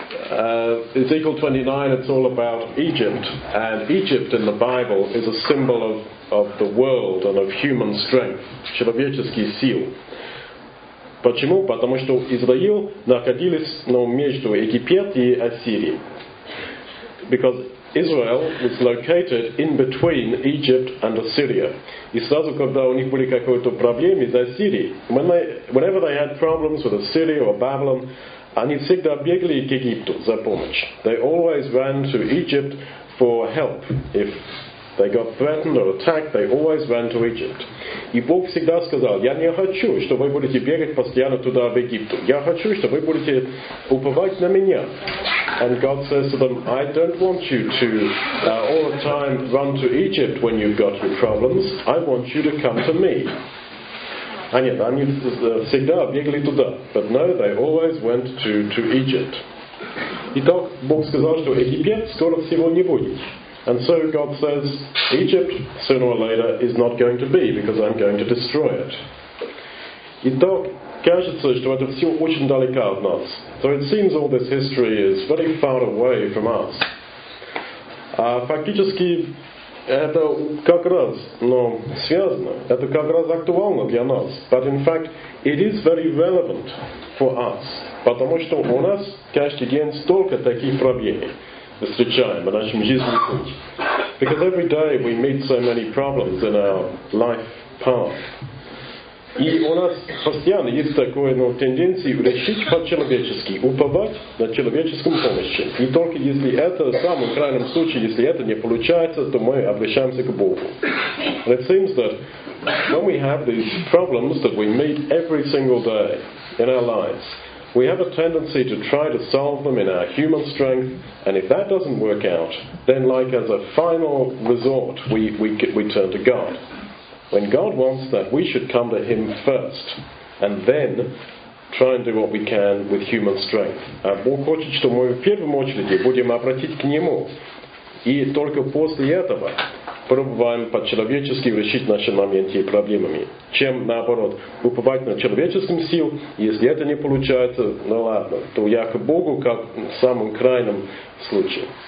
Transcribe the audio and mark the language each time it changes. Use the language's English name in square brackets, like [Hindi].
[English] Ezekiel 29, it's all about Egypt. And Egypt in the Bible is a symbol of the world and of human strength, [Russian] человеческий сил. Почему? Потому что Израил находились между Египет и Ассирией. [English] Because Israel was located in between Egypt and Assyria. [Russian] И сразу, когда у них были какие-то проблемы с Ассирией, [English] whenever they had problems with Assyria or Babylon, [Russian] они всегда бегали к Египту за помощь. [English] They always ran to Egypt for help. If they got threatened or attacked, they always ran to Egypt. [Russian] И Бог всегда сказал, я не хочу, что вы будете бегать постоянно туда, в Египту. Я хочу, что вы будете уповать на меня. [English] And God says to them, I don't want you to all the time run to Egypt when you've got your problems. I want you to come to me. [Russian] А нет, они всегда бегали туда. [English] But no, they always went to Egypt. [Russian] Итак, Бог сказал, что Египет скоро всего не будет. [English] And so God says, Egypt, sooner or later, is not going to be, because I'm going to destroy it. [Russian] Итак, кажется, что это все очень далеко от нас. [English] So it seems all this history is very far away from us. [Russian] Фактически, это как раз, но связано, это как раз актуально для нас. [English] But in fact, it is very relevant for us, [Russian] потому что у нас каждый день столько таких проблем. Встречаем в нашем жизненном пути. [English] Because every day we meet so many problems in our life path. [Russian] И у нас постоянно есть такое, ну, тенденция решить по-человечески, уповать на человеческом помощи. И только если это, в самом крайнем случае, если это не получается, то мы обращаемся к Богу. [English] And it seems that when we have these problems that we meet every single day in our lives, we have a tendency to try to solve them in our human strength, and if that doesn't work out, then like as a final resort, we turn to God. When God wants that, we should come to Him first, and then try and do what we can with human strength. [Russian] Бог хочет, что мы в первую очередь будем обратить к Нему, и только после этого пробуем по-человечески решить наши моменты и проблемами. Чем, наоборот, уповать на человеческом сил, если это не получается, ну ладно, то я к Богу, как в самом крайнем случае.